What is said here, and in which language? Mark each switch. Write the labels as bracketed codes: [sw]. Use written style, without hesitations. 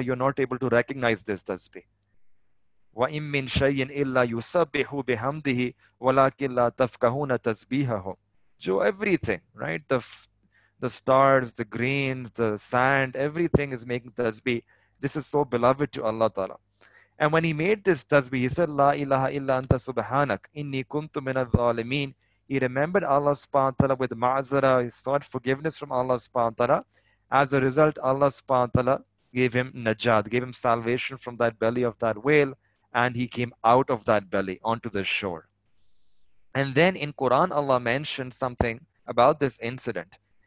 [en] You're not able to recognize this tasbih. [ar] وَإِمْ مِنْ شَيْءٍ إِلَّا يُسَبِّحُ بِحَمْدِهِ وَلَكِنْ لَا تَفْقَهُونَ تَسْبِيحَهُ. [en] So everything, right? The stars, the grains, the sand, everything is making tasbih. This is so beloved to Allah Ta'ala. And when he made this tasbih, he said, [ar] لَا إِلَهَ إِلَّا أَنْتَ سُبْحَانَكَ إِنِّي كُنْتُ مِنَ الظَّالِمِينَ. [en] He remembered Allah Subhanahu wa Ta'ala with ma'zara. He sought forgiveness from Allah Subhanahu wa Ta'ala. As a result, Allah Subhanahu wa Ta'ala gave him najat, gave him salvation from that belly of that whale. And he came out of that belly onto the shore. And then in Quran, Allah mentioned something about this incident.